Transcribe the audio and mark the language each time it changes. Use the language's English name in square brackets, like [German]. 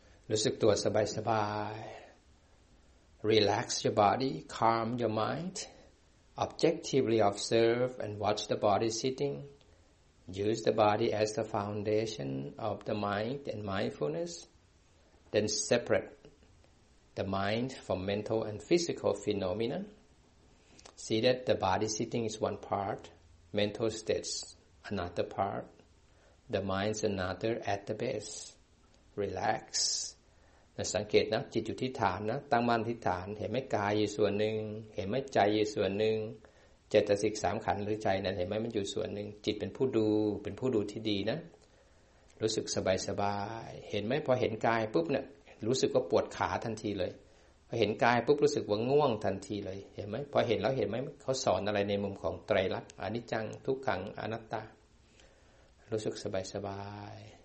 [Thai] ลุกสึกตัวสบายสบาย [English] relax your body calm your mind objectively observe and watch the body sitting use the body as the foundation of the mind and mindfulnessThen separate the mind from mental and physical phenomena. See that the body sitting is one part, mental states another part, the mind's another at the base. Relax. [Thai] สังเกตนะจิตอยู่ที่ฐานนะตั้งมั่นที่ฐานเห็นไหมกายอยู่ส่วนหนึ่งเห็นไหมใจอยู่ส่วนหนึ่งเจตสิกสามขันธ์หรือใจนั้นเห็นไหมมันอยู่ส่วนหนึ่งจิตเป็นผู้ดูเป็นผู้ดูที่ดีนะรู้สึกสบายสบายเห็นไหมพอเห็นกายปุ๊บเนี่ยรู้สึกว่าปวดขาทันทีเลยพอเห็นกายปุ๊บรู้สึกว่าง่วงทันทีเลยเห็นไหมพอเห็นแล้วเห็นไหมเขาสอนอะไรในมุมของไตรลักษณ์อนิจจังทุกขังอนัตตารู้สึกสบายสบาย